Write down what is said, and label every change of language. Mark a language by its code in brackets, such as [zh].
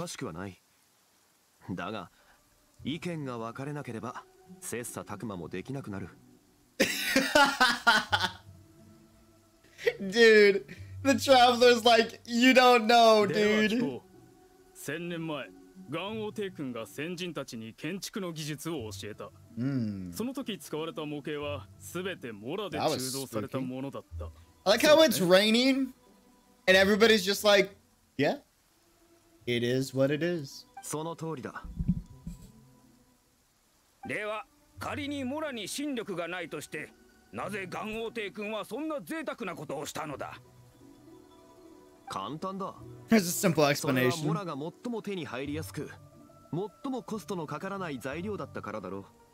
[ja] 詳しくはない。だが、意見が分かれなければ切磋琢磨もできなくなる。Dude, [en] the traveler's like, you don't know, dude. [ja] 1000年前 岩王帝君が先人たちに建築の技術を教えた。その時使われた模型は全てモラで鋳造されたものだった。 [en] I like how it's raining and everybody's just like, yeah, it is what it is. [ja] その通りだ。では仮にモラに神力がないとして、なぜ元王帝君はそんな贅沢なことをしたのだ。簡単だ。 [en] There's a simple explanation. [ja] それはモラが最も手に入りやすく、最もコストのかからない材料だったからだろう。